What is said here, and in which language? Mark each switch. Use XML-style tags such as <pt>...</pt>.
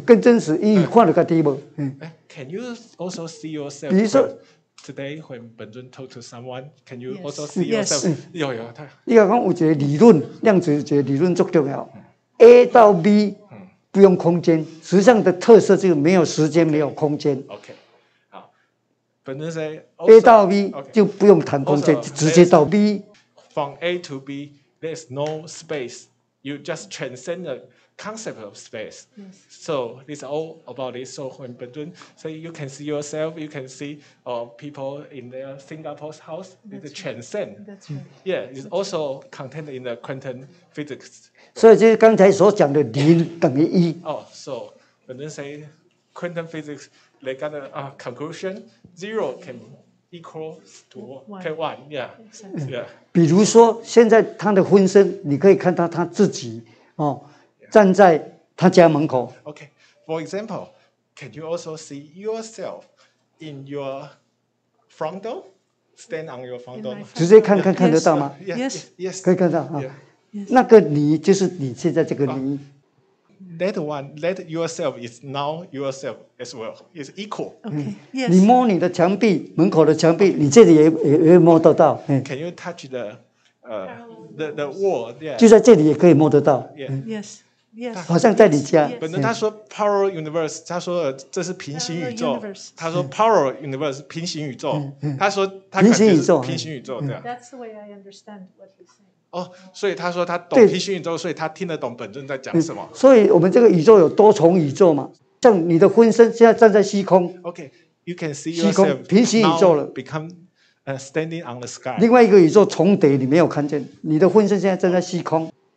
<zh>更真实，因为看得更低吗？嗯。</zh> <en>Can you also see yourself?</en> <zh>比如说</zh> <en>，today when Ben Zhun talk to someone, can you yes, also see yourself? Yes.</en> <zh>有他。你讲有一个理论，量子一个理论足重要。A 到 B 不用空间，实际上的特色就是没有时间，</zh> <en>okay.</en> <zh>没有空间。 OK， 好，本尊说 A 到 B、</zh> <en>okay.</en> <zh>就不用谈空间，</zh> <en>also,</en> <zh>直接到 B。</zh> <en>From A to B, there's no space. You just transcend the concept of space. Yes. So it's all about this. So when 本尊 say you can see yourself, you can see people in their Singapore's house. That's it's transcend. Right. That's right. Yeah, it's also contained in the quantum physics.</en> <zh>所以就是刚才所讲的零等于一。</zh> <en>哦、oh, ，So， 本尊 say quantum physics they got a conclusion zero can equals to can one yeah yeah。</en> <zh>比如说现在他的分身，你可以看到他自己哦，站在他家门口。</zh> <en>Okay, for example, can you also see yourself in your front door? Stand on your front door.</en> <zh>直接看得到吗</zh> <en>yes, ？Yes, yes,</en> <zh>可以看到啊。</zh> <en>Yeah. Yes.</en> <zh>那个你就是你现在这个你。</zh> <en>That one, that yourself is now yourself as well. It's equal. Okay. Yes.</en> <zh>你摸你的墙壁，门口的墙壁，你这里也摸得到。</zh> <en>Can you touch the wall? Yeah.</en> <zh>就在这里也可以摸得到。</zh> <en>Yes. Yes.</en> <zh>好像在你家。本尊他说 parallel universe， 他说这是平行宇宙。他说 parallel universe 平行宇宙。他说他平行宇宙。平行宇宙对。</zh> <en>That's the way I understand what he's saying.</en> <zh>哦、oh, ，所以他说他懂平行宇宙，所以他听得懂本尊在讲什么、所以我们这个宇宙有多重宇宙嘛？像你的分身现在站在虚空</zh> <en>，OK， you can see</en> <zh>虚空平行宇宙了</zh> <en>，become standing on the sky。</en> <zh>另外一个宇宙重叠，你没有看见，你的分身现在站在虚空</zh>